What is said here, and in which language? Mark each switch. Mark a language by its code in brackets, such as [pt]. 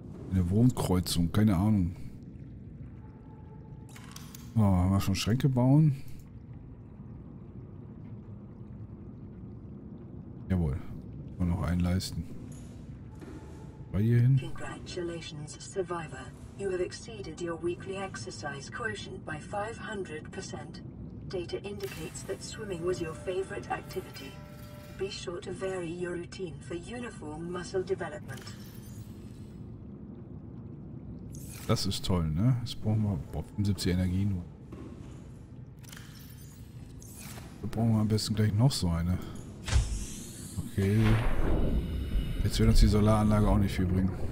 [de] Eine Wohnkreuzung, keine Ahnung. Oh, haben wir schon Schränke bauen? Jawohl, noch einen leisten. Mal hier hin. [en] Congratulations, Survivor. You have exceeded your weekly exercise quotient by 500%. Data indicates that swimming was your favorite activity. Be sure to vary your routine for uniform muscle development. [de] Das ist toll, ne? Jetzt brauchen wir 75 Energie nur. Da brauchen wir am besten gleich noch so eine. Okay. Jetzt wird uns die Solaranlage auch nicht viel bringen.